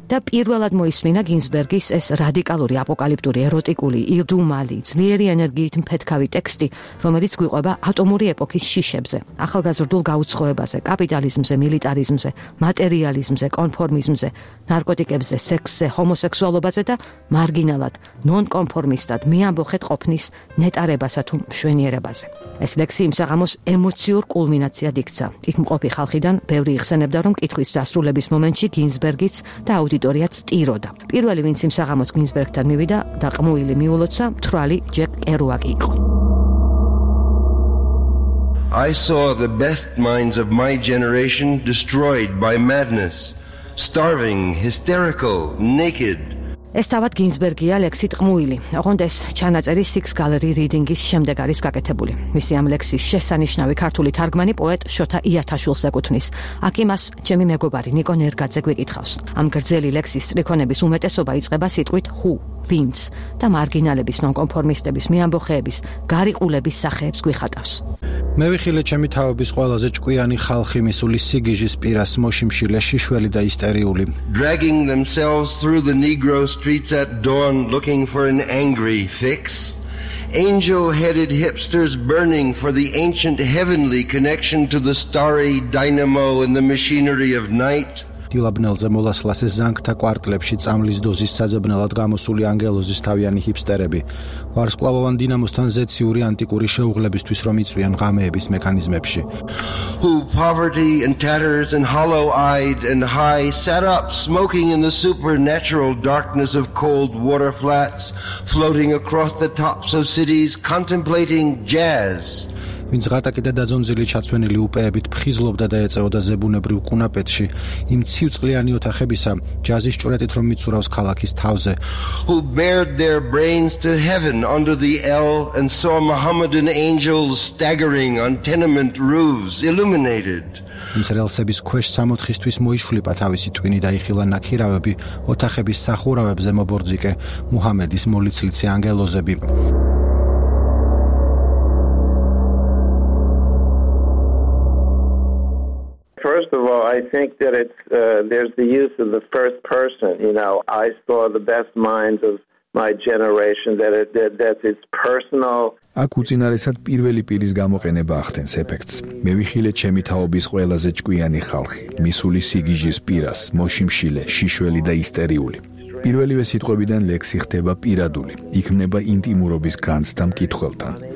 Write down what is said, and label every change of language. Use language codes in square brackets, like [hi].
[ka] და პირველად მოისმინა გინსბერგის ეს რადიკალური, აპოკალიპტური, ეროტიკული, ირდუმალი, ძლიერი ენერგიით მფეთქავი ტექსტი, რომელიც გვიყვება ატომური ეპოქის შიშებზე, ახალგაზრდულ გაუცხოებაზე, კაპიტალიზმზე, მილიტარიზმზე, მატერიალიზმზე, კონფორმიზმზე, ნარკოტიკებზე, სექსზე, ჰომოსექსუალობაზე და მარგინალად, ნონკონფორმისტად მეამბოხეთ ყოფნის ნეტარებასა თუ მშვენიერებაზე. ეს ლექსი იმ საღამოს ემოციურ კულმინაციად იქცა. იქ მყოფი ხალხიდან ბევრი იხსენებდა, რომ კითხვის დასრულების მომენტში გინსბერგიც და აუდიტორიაც ტიროდა. პირველი, ვინც იმ საღამოს გინსბერგთან მივიდა და ყმუილი მიულოცა, მთვრალი ჯეკ კერუაკი იყო. [en] I saw the best minds of my generation destroyed by madness, starving, hysterical, naked. [ka] ეს თავად გინსბერგია, ლექსი ტყმუილი. ოღონდ ეს ჩანაწერი Six Gallery Readings-ის შემდეგ არის გაკეთებული. მისი ამ ლექსის შესანიშნავი ქართული თარგმანი პოეტ შოთა იათაშვილს ეკუთვნის. აქ იმას ჩემი მეგობარი ნიკო ნერგაძე გვიკითხავს. ამ გრძელი ლექსის სტრიქონების უმეტესობა იწყება სიტყვით ჰუ, ვინც, და მარგინალების, ნონკონფორმისტების, მეამბოხეების, გარიყულების სახეებს გვიხატავს. მე ვიხილე ჩემი თაობის ყველაზე ჭკვიანი ხალხი, მისული სიგიჟის პირას, მოშიმშილე, შიშველი და ისტერიული. [en] Dragging themselves through the negro streets at dawn looking for an angry fix. Angel-headed hipsters burning for the ancient heavenly connection to the starry dynamo and the machinery of night. [ka] დილაბნელზე მოლასლასე ზანგთა კვარტლებში წამლის დოზის საზებნელად გამოსული ანგელოზის თავიანი ჰიპსტერები, ვარსკვლავოვან დინამოსთან ზეციური ანტიკური შეუღლებისთვის რომ იწვიან ღამეების მექანიზმებში. [en] Who poverty and tatters and hollow-eyed and high sat up smoking in the supernatural darkness of cold water flats floating across the tops of cities contemplating jazz. [ka] ვინც ღატაკი და დაძონძილი ჩაცვენილი უპეებით ფხიზლობდა და ეწეოდა ზებუნებრივ კუნაპეტში იმ ცივწყლიანი ოთახებისა ჯაზის ჭურეტით რომ მიცურავს ქალაქის თავზე. [en] Who bared their brains to heaven under the L and saw Mohammedan angels staggering on tenement roofs illuminated. [ka] ინცრელსების ქვეშ 60-ისთვის მოიშვლიპა თავისი ტვინი და იხილა ნაქირავები ოთახების სახურავებზე მობორძიკე მუჰამედის მოლიცლიცი ანგელოზები. [en] First of all, I think that there's the use of the first person, you know, I saw the best minds of my generation that it's personal. [ka] აქ უწინარესად პირველი პირის გამოყენება ახდენს ეფექტს. მე ვიხილე ჩემი თაობის ყველაზე ჭკვიანი ხალხი, მისული სიგიჟის პირას, მოშიმშილე, შიშველი და ისტერიული. პირველივე სიტყვებიდან ლექსი ხდება პირადული, იქმნება ინტიმურობის განცდა მკითხველთან.